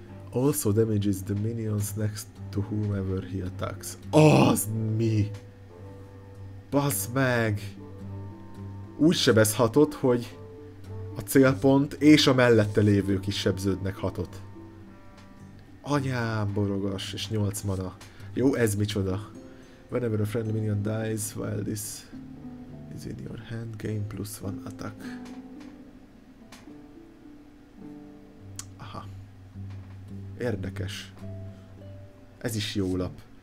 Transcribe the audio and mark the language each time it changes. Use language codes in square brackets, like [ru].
[en] Also damages the minions next to whomever he attacks. [hu] Az mi? Bassz meg! Úgy sebez hatot, hogy a célpont és a mellette lévők is sebződnek hatot. Anyám, borogas, és 8 mana. Jó, ez micsoda. [en] Whenever a friendly minion dies while this is in your hand, gain plus 1 attack. [hu] Aha. Érdekes. Ez is jó lap.